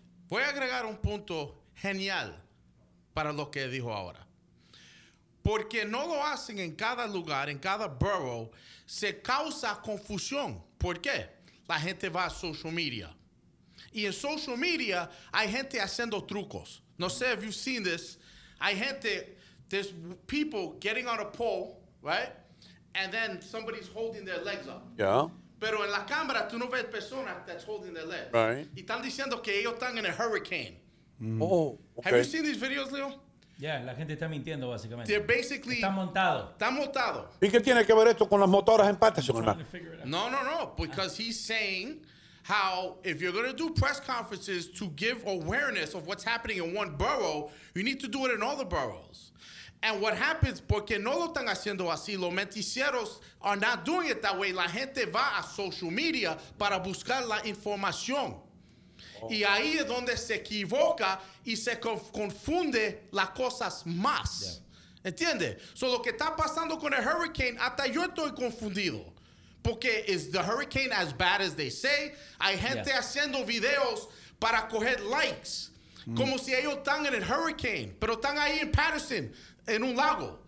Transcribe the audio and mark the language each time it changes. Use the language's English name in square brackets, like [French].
[Spanish] Voy a agregar un punto genial para lo que dijo ahora. Porque no lo hacen en cada lugar, en cada borough, se causa confusión. ¿Por qué? La gente va a social media. Y en social media hay gente haciendo trucos. No sé [English] if you've seen this. [Spanish] Hay gente, [English] there's people getting on a pole, right? And then somebody's holding their legs up. Yeah. [Spanish] Pero en la cámara tú no ves persona [English] that's holding their legs. Right. [Spanish] Y están diciendo que ellos están en [English] a hurricane. Mm. Oh, okay. Have you seen these videos, Leo? [Spanish] Yeah, la gente está mintiendo, básicamente. [English] They're basically... [Spanish] Está montado. Está montado. ¿Y qué tiene que ver esto con las motoras en patas, señor? No, no, no. [English] Because he's saying how if you're going to do press conferences to give awareness of what's happening in one borough, you need to do it in all the boroughs. And what happens, [Spanish] porque no lo están haciendo así, los menticieros [English] are not doing it that way. [Spanish] La gente va a social media para buscar la información. Y ahí es donde se equivoca y se confunde las cosas más. Yeah. ¿Entiendes? So lo que está pasando con el hurricane, hasta yo estoy confundido. Porque [English] is the hurricane as bad as they say? [Spanish] Hay gente haciendo videos para coger likes. Mm. Como si ellos están en el hurricane, pero están ahí en Patterson, en un lago.